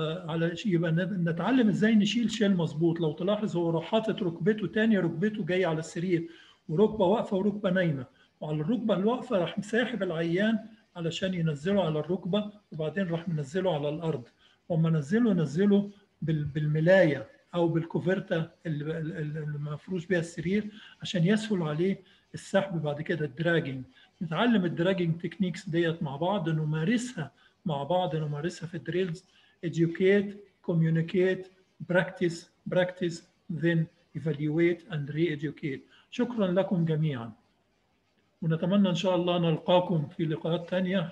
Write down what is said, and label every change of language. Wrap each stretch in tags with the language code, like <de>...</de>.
<ar>على يبقى نتعلم ازاي نشيل شيل مظبوط. لو تلاحظ هو راح حاطط ركبته تاني، ركبته جاي على السرير وركبه واقفه وركبه نايمه، وعلى الركبة الواقفة راح مساحب العيان علشان ينزله على الركبة، وبعدين راح منزله على الأرض. وما نزله بالملاية أو بالكوفرتة اللي مفروش بها السرير عشان يسهل عليه السحب بعد كده الدراجين. نتعلم الدراجين تكنيكس ديت مع بعض، نمارسها مع بعض، نمارسها في الدريلز.</ar> <en>educate, communicate, practice, practice, then evaluate and re-educate. شكرا لكم جميعا، ونتمنى إن شاء الله نلقاكم في لقاءات تانية.</en>